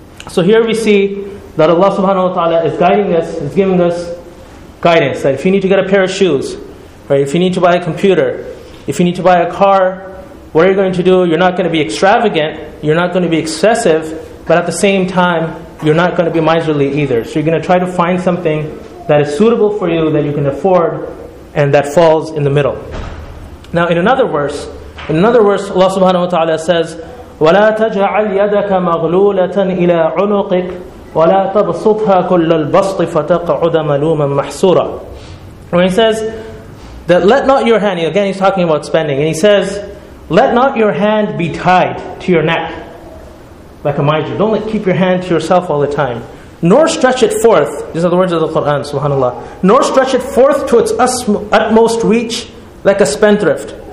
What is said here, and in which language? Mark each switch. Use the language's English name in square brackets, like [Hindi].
[English] So here we see that Allah subhanahu wa ta'ala is guiding us, is giving us guidance, that if you need to get a pair of shoes, right, if you need to buy a computer, if you need to buy a car, what are you going to do? You're not going to be extravagant, you're not going to be excessive, but at the same time, you're not going to be miserly either. So you're going to try to find something that is suitable for you, that you can afford, and that falls in the middle. Now in another verse, Allah subhanahu wa ta'ala says, [Arabic] وَلَا تَجْعَلْ يَدَكَ مَغْلُولَةً إِلَىٰ عُنُقِكَ وَلَا تَبْسُطْهَا كُلَّ الْبَسْطِ فَتَقْعُدَ مَلُومًا مَحْسُورًا. [English] When he says that, let not your hand, again he's talking about spending, and he says, let not your hand be tied to your neck like a miser. Don't like, keep your hand to yourself all the time. Nor stretch it forth, these are the words of the Quran, subhanAllah, nor stretch it forth to its utmost reach like a spendthrift.